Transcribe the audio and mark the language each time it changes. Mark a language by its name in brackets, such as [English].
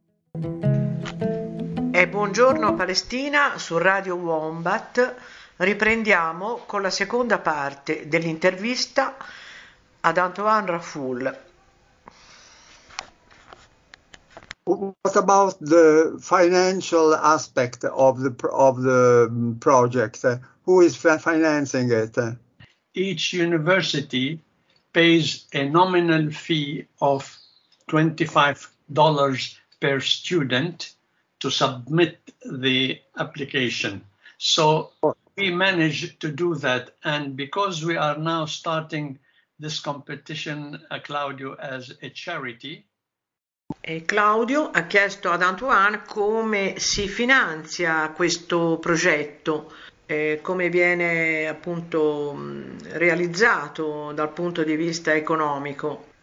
[Italian] E buongiorno Palestina su Radio Wombat. Riprendiamo con la seconda parte dell'intervista ad Antoine Raful. [English] What about the financial aspect of the project? Who is financing it? Each university pays a nominal fee of $25 per student to submit the application. So we managed to do that. And because we are now starting this competition, Claudio, as a charity. [Italian] E Claudio ha chiesto ad Antoine come si finanzia questo progetto, come viene appunto realizzato dal punto di vista economico.